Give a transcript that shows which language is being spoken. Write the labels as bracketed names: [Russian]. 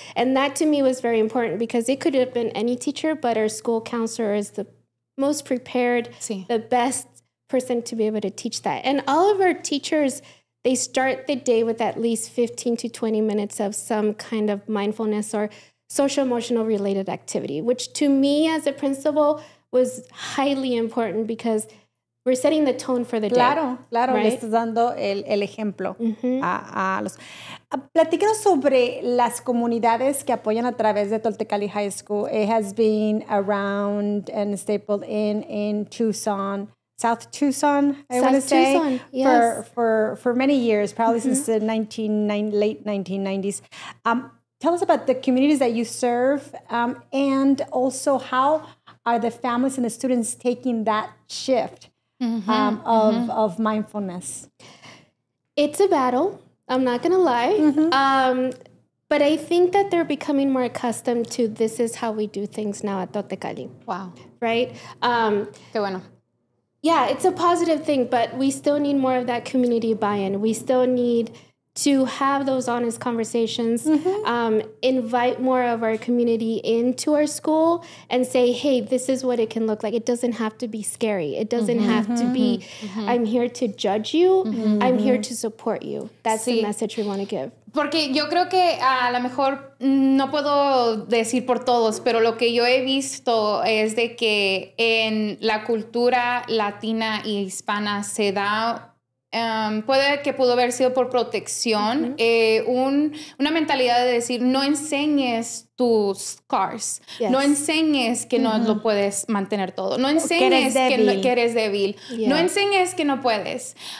[English] And that to me was very important because it could have been any teacher, but our school counselor is the most prepared, the best person to be able to teach that. And all of our teachers, they start the day with at least 15 to 20 minutes of some kind of mindfulness or social emotional related activity, which to me as a principal was highly important because we're setting the tone for the [Spanish] claro, [English] day. [Spanish] Claro, claro. [English] Right? [Spanish] Le estás dando el ejemplo a los... Platícanos sobre las comunidades que apoyan a través de Tolecalli High School. [English] It has been around and stapled in Tucson, South Tucson, I want to say. Tucson, yes. For many years, probably since the late 1990s. Tell us about the communities that you serve and also how are the families and the students taking that shift? Of mindfulness. It's a battle, I'm not gonna lie. But I think that they're becoming more accustomed to this is how we do things now at Tolecalli. Wow. Right? [Spanish] Qué bueno. [English] Yeah, it's a positive thing, but we still need more of that community buy-in. We still need to have those honest conversations, invite more of our community into our school and say, hey, this is what it can look like. It doesn't have to be scary. It doesn't have to be, I'm here to judge you. I'm here to support you. That's the message we want to give. [Spanish] Porque yo creo que a lo mejor no puedo decir por todos, pero lo que yo he visto es de que en la cultura latina y hispana se da... puede que pudo haber sido por protección, una mentalidad de decir, no enseñes tus scars, no enseñes que no lo puedes mantener todo, no enseñes que eres débil, no enseñes que no puedes.